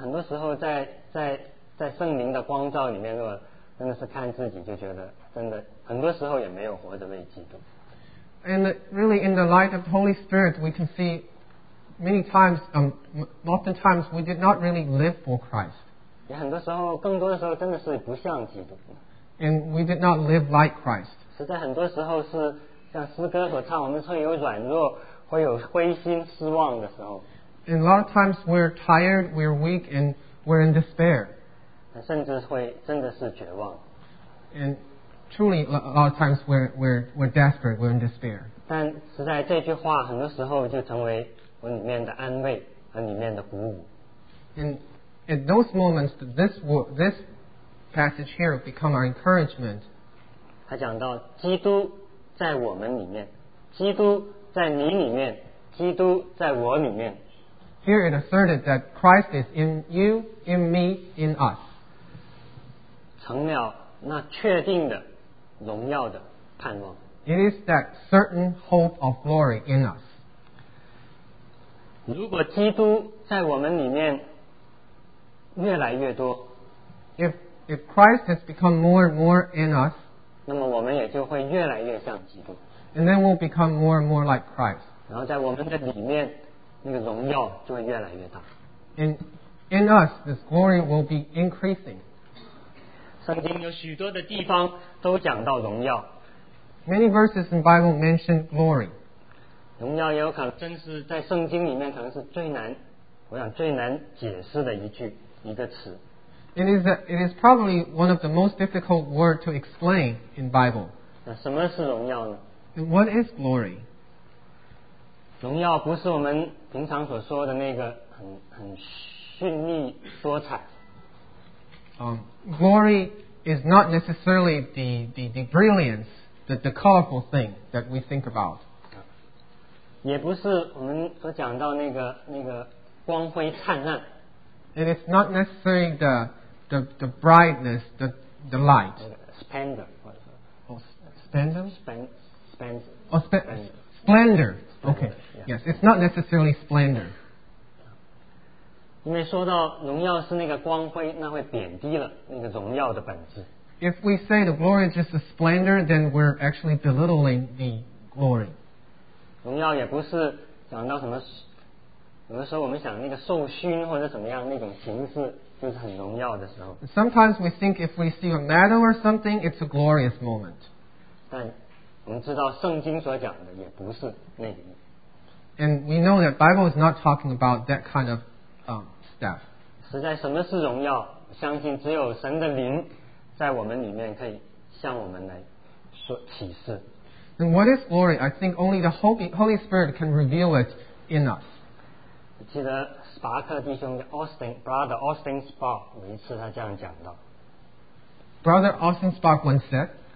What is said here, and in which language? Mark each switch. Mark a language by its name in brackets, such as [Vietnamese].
[Chinese] 我想实在是真的很多时候在圣灵的光照里面 真的是看自己就觉得真的很多时候也没有活着为基督。 [English] And really in the light of the Holy Spirit we can see many times, oftentimes we did not really live for Christ. [Chinese] 也很多时候，更多的时候真的是不像基督。 [English] And we did not live like Christ. [Chinese] 实在很多时候是像诗歌所唱，我们会有软弱，会有灰心失望的时候。 [English] And a lot of times we're tired, we're weak, and we're in despair. [Chinese] 甚至会真的是绝望。 [English] And truly, a lot of times we're desperate, we're in despair. [Chinese] 但实在这句话很多时候就成为 我里面的安慰和里面的鼓舞。 [English] And at those moments, this passage here become our encouragement. [Chinese] 他讲到基督在我们里面，基督在你里面，基督在我里面。 [English] Here it asserted that Christ is in you, in me, in us. [Chinese] 成了那确定的荣耀的盼望。 [English] It is that certain hope of glory in us. [Chinese] 如果基督在我们里面越来越多， [English] if Christ has become more and more in us, [Chinese] 那么我们也就会越来越像基督。 [English] And then we'll become more and more like Christ. [Chinese] 然后在我们的里面，那个荣耀就会越来越大。 [English] In us, this glory will be increasing. [Chinese] 圣经有许多的地方都讲到荣耀。 [English] Many verses in the Bible mention glory. [Chinese] 荣耀有可能真是在圣经里面可能是最难，我想最难解释的一句一个词。 [English] It is probably one of the most difficult word to explain in Bible. [Chinese] 那什么是荣耀呢？ [English] And what is glory? [Chinese] 荣耀不是我们平常所说的那个很绚丽多彩。 [English] Glory is not necessarily the brilliance, the colorful thing that we think about. [Chinese] 也不是我们所讲到那个光辉灿烂。 [English] It is not necessarily the brightness, the light. Splendor. Splendor? Splendor. Splendor. Okay. Yes, it's not necessarily splendor. [Chinese] 因为说到荣耀是那个光辉，那会贬低了那个荣耀的本质。 [English] If we say the glory is just a splendor, then we're actually belittling the glory. [Chinese] 荣耀也不是讲到什么，有的时候我们想那个受勋或者怎么样那种形式就是很荣耀的时候。 [English] Sometimes we think if we see a medal or something, it's a glorious moment. [Chinese] 但我们知道圣经所讲的也不是那个意思。 [English] And we know that Bible is not talking about that kind of stuff. [Chinese] 实在什么是荣耀，我相信只有神的灵在我们里面可以向我们来说启示。 [English] And what is glory? I think only the Holy Spirit can reveal it in us. [Chinese] 我记得巴克弟兄叫 Austin, Brother Austin Spark, 有一次他这样讲到。 [English] Brother Austin Spark once said,